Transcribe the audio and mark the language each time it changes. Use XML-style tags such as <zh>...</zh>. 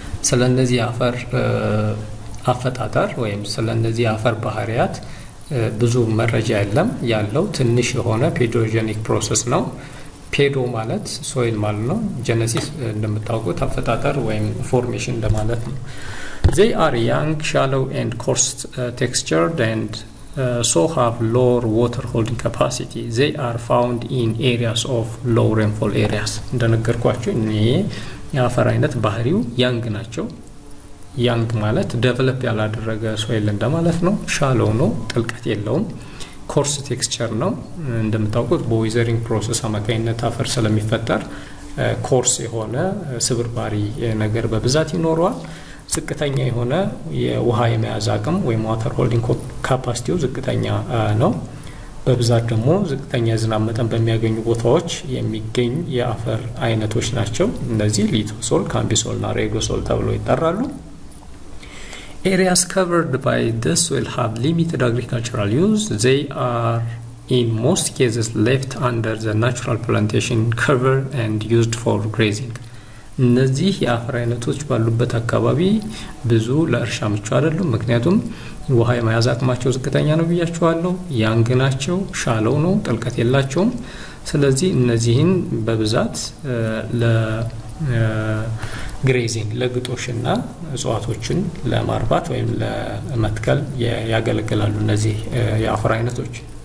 <am>ስለነዚህ አፈር አፈጣጠር ወይም ስለነዚህ አፈር ባህሪያት ብዙ መረጃ የለም። ያለው ትንሽ የሆነ ፔዶጀኒክ ፕሮሰስ ነው። ፔዶ ማለት ሶይል ማለት ነው። ጀነሲስ እንደምታውቁት አፈጣጠር ወይም ፎርሜሽን እንደማለት ነው።</am> <en>They are young, shallow and coarse textured and so have lower water holding capacity. They are found in areas of low rainfall areas.</en> <am>እንደነገርኳችሁ እኔ የአፈር አይነት ባህሪው ያንግ ናቸው። ያንግ ማለት develop ያላደረገ soil እንደማለት ነው። shallow ነው ጥልቀት የለውም። coarse texture ነው እንደምታውቁት weathering process አማካይነት አፈር ስለሚፈጠር coarse የሆነ ስብርባሪ ነገር በብዛት ይኖራል። ዝቅተኛ የሆነ የውሃ የመያዝ አቅም ወይም water holding capacity ዝቅተኛ ነው። በብዛት ደግሞ ዝቅተኛ ዝናብ መጠን በሚያገኙ ቦታዎች የሚገኝ የአፈር አይነቶች ናቸው። እነዚህ lithosol, cambisol እና regosol ተብለው ይጠራሉ።</am> <en>Areas covered by this will have limited agricultural use. They are in most cases left under the natural plantation cover and used for grazing.</en> <am>እነዚህ የአፈር አይነቶች ባሉበት አካባቢ ብዙ ለእርሻ ምቹ አይደሉም። ምክንያቱም ውሃ የመያዝ አቅማቸው ዝቅተኛ ነው ብያቸዋለሁ። ያንግ ናቸው፣ ሻለው ነው፣ ጥልቀት የላቸውም። ስለዚህ እነዚህን በብዛት ለግሬዚንግ ለግጦሽና እጽዋቶችን ለማርባት ወይም ለመትከል ያገለግላሉ። እነዚህ የአፈር አይነቶች</am>